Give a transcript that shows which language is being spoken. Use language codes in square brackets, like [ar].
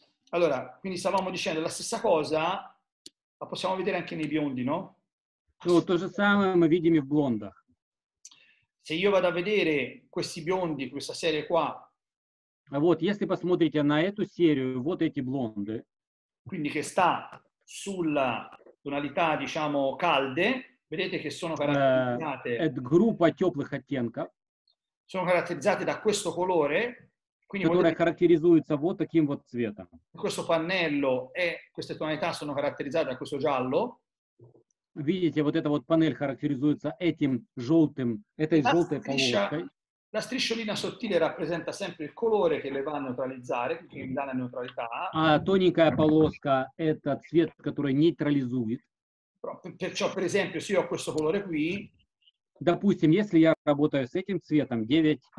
[it] Allora, quindi stavamo dicendo la stessa cosa, la possiamo vedere anche nei biondi, no? [ru] No, то же самое мы видим и в блондах. [it] Se io vado a vedere questi biondi, questa serie qua. [ru] Вот, если посмотрите на эту серию, вот эти блонды. [it] Quindi che sta sulla tonalità, diciamo, calde, vedete che sono caratterizzate. [ru] Ed группа теплых оттенков. [it] Sono caratterizzate da questo colore. [ru] Которая характеризуется вот таким вот цветом. [it] Questo pannello e queste tonalità sono caratterizzate da questo giallo. [ru] Видите, вот эта вот панель характеризуется этим желтым, этой желтой полоской. [it] La strisciolina sottile rappresenta sempre il colore che le va a neutralizzare, che gli dà la neutralità. [ru] А тоненькая полоска – это цвет, который нейтрализует. [it] Perciò, per esempio, se io ho questo colore qui. [ru] Допустим, если я работаю с этим цветом 9-3.